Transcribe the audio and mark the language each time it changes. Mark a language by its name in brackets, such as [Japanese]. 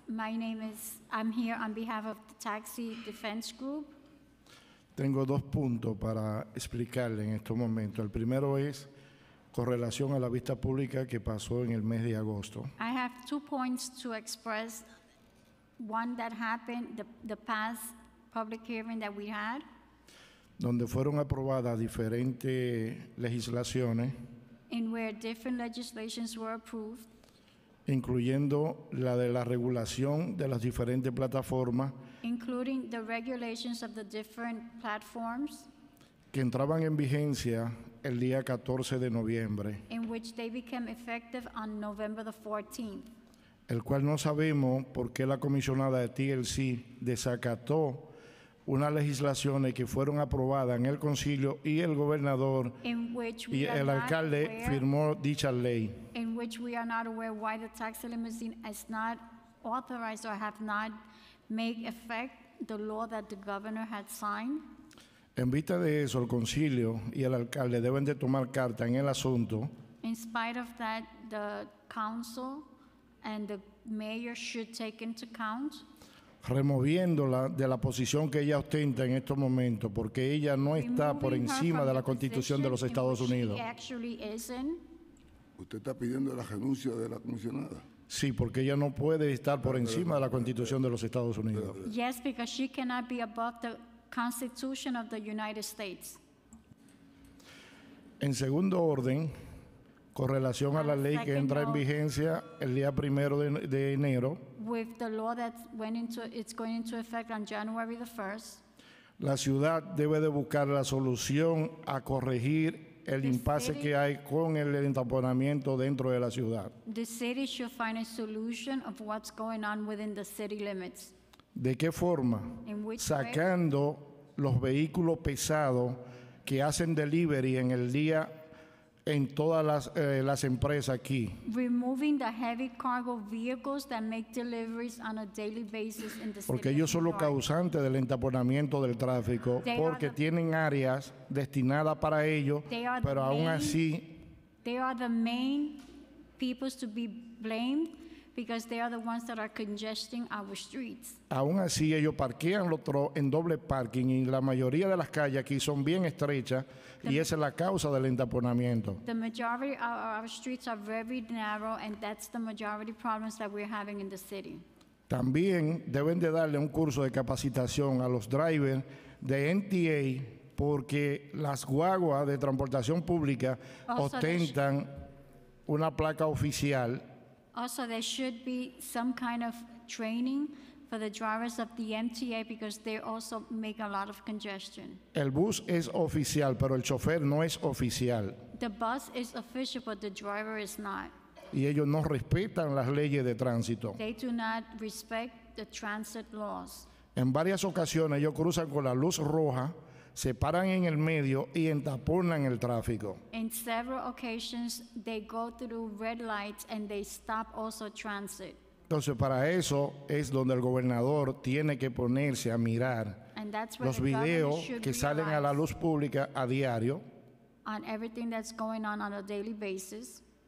[English] My name is, I'm here on behalf of the Taxi Defense Group. [Spanish] Tengo dos puntos para explicarle en estos momentos. El primero es con relación a la vista pública que pasó en el mes de agosto. [English] I have 2 points to express. One that happened, the past public hearing that we had. [Spanish] Donde fueron aprobadas diferentes legislaciones. [English] In where different legislations were approved. [Spanish] Incluyendo la de la regulación de las diferentes plataformas. [English] Including the regulations of the different platforms. [Spanish] Que entraban en vigencia el día 14 de noviembre. [English] In which they became effective on November the 14th. [Spanish] El cual no sabemos por qué la comisionada de TLC desacató unas legislaciones que fueron aprobadas en el concilio y el gobernador y el alcalde firmó dicha ley. [English] In which we are not aware why the taxi limousine has not authorized or have not made effect the law that the governor had signed. [Spanish] En vista de eso, el concilio y el alcalde deben de tomar carta en el asunto. [English] In spite of that, the council and the mayor should take into account [Spanish] removiéndola de la posición que ella ostenta en estos momentos, porque ella no está por encima de la Constitución de los Estados Unidos. ¿Usted está pidiendo la renuncia de la comisionada? Sí, porque ella no puede estar por encima de la Constitución de los Estados Unidos. [English] Yes, because she cannot be above the Constitution of the United States. [Spanish] En segundo orden, con relación a la ley que entra en vigencia el día primero de enero. [English] With the law that went into, it's going into effect on January the 1st. [Spanish] La ciudad debe de buscar la solución a corregir el impasse que hay con el entaponamiento dentro de la ciudad. [English] The city should find a solution of what's going on within the city limits. [Spanish] ¿De qué forma? [English] In which [Spanish] sacando [English] way? [Spanish] Los vehículos pesados que hacen delivery en el día en todas las empresas aquí. [English] Removing the heavy cargo vehicles that make deliveries on a daily basis in the city. [Spanish] Porque ellos son los causantes del entaponamiento del tráfico, porque tienen áreas destinadas para ellos, pero aún así. [English] They are the main people to be blamed because they are the ones that are congesting our streets. [Spanish] Aún así, ellos parquean los trucks en doble parking y la mayoría de las calles aquí son bien estrechas. Y esa es la causa del entaponamiento. [English] The majority of our streets are very narrow, and that's the majority problems that we're having in the city. [Spanish] También deben de darle un curso de capacitación a los drivers de NTA, porque las guaguas de transportación pública ostentan una placa oficial. [English] Also, there should be some kind of training for the drivers of the MTA because they also make a lot of congestion. [Spanish] El bus es oficial, pero el chofer no es oficial. [English] The bus is official, but the driver is not. [Spanish] Y ellos no respetan las leyes de tránsito. [English] They do not respect the transit laws. [Spanish] En varias ocasiones ellos cruzan con la luz roja, se paran en el medio y entaponan el tráfico. [English] In several occasions they go through red lights and they stop also transit. [Spanish] Entonces, para eso es donde el gobernador tiene que ponerse a mirar los videos que salen a la luz pública a diario. [English] On everything that's going on a daily basis.